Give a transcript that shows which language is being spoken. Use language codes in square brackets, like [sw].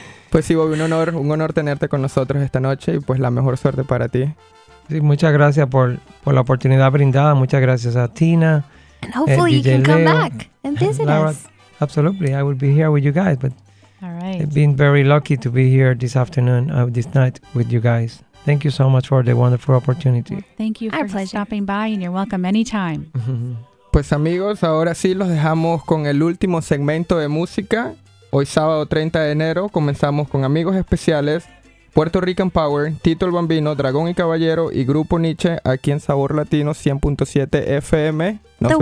[es] Pues sí, Bobby, un honor tenerte con nosotros esta noche y pues la mejor suerte para ti. Sí, muchas gracias por la oportunidad brindada. Muchas gracias a Tina. [en] And hopefully you can come back and visit Laura, us. Absolutely. I will be here with you guys. But all right. Been very lucky to be here this afternoon, this night with you guys. Thank you so much for the wonderful opportunity. Thank you for stopping by, and you're welcome anytime. [es] Pues amigos, ahora sí los dejamos con el último segmento de música. Hoy sábado 30 de enero comenzamos con Amigos Especiales, Puerto Rican Power, Tito el Bambino, Dragón y Caballero y Grupo Niche aquí en Sabor Latino 100.7 FM. Nos